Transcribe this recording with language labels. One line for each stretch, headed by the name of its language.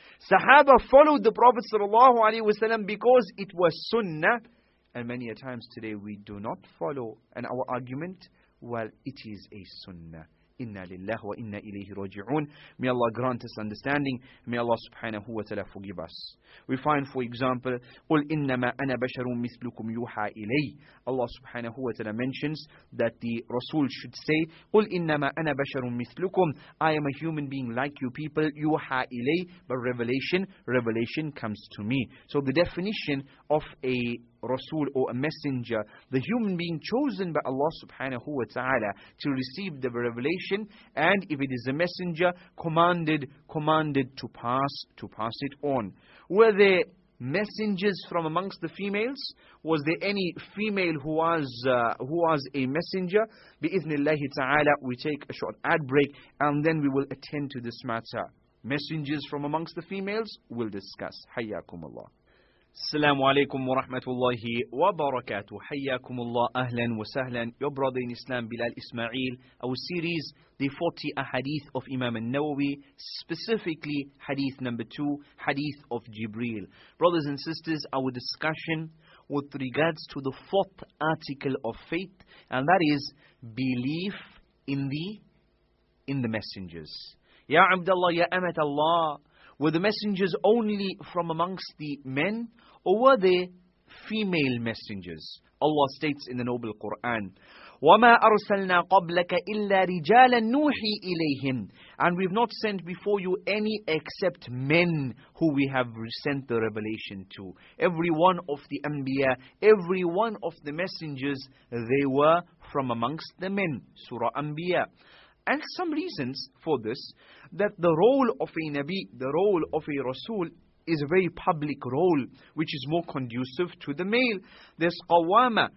English: Sahaba followed the Prophet sallallahu alayhi wasallam because it was Sunnah. And many a times today we do not follow. And our argument, well, it is a sunnah.
Arabic: Inna lillahi wa inna ilayhi raji'un.
English: May Allah grant us understanding. May Allah subhanahu wa ta'ala forgive us. We find, for example,
Arabic: قُلْ إِنَّمَا أَنَا بَشَرٌ مِثْلُكُمْ يُوحَى إِلَيْهِ.
English: Allah subhanahu wa ta'ala mentions that the Rasul should say,
Arabic: قُلْ إِنَّمَا أَنَا بَشَرٌ مِثْلُكُمْ.
English: I am a human being like you people.
Arabic: يُوحَى إِلَيْهِ.
English: But revelation comes to me. So the definition of a Rasul or a messenger, the human being chosen by Allah subhanahu wa ta'ala to receive the revelation, and if it is a messenger, commanded to pass it on. Were there messengers from amongst the females? Was there any female who was a messenger? Bi-ithnillahi ta'ala, we take a short ad break and then we will attend to this matter. Messengers from amongst the females, we'll discuss.
Arabic: Hayyakum Allah. السلام عليكم ورحمة الله وبركاته. حياكم الله أهلا وسهلا.
English: Your brother in Islam, Bilal Ismail. Our series, the 40 Ahadith of Imam al-Nawawi, specifically Hadith number 2, Hadith of Jibreel. Brothers and sisters, our discussion with regards to the fourth article of faith, and that is belief in the messengers.
Arabic: يا عبد الله يا أمة الله.
English: Were the messengers only from amongst the men, or were they female messengers? Allah states in the Noble Quran,
Arabic: وَمَا أَرْسَلْنَا قَبْلَكَ إِلَّا رِجَالًا نُوحِي إِلَيْهِمْ.
English: And we've not sent before you any except men who we have sent the revelation to. Every one of the Anbiya, every one of the messengers, they were from amongst the men. Surah Anbiya. And some reasons for this, that the role of a Nabi, the role of a Rasul, is a very public role, which is more conducive to the male. There's Qawama.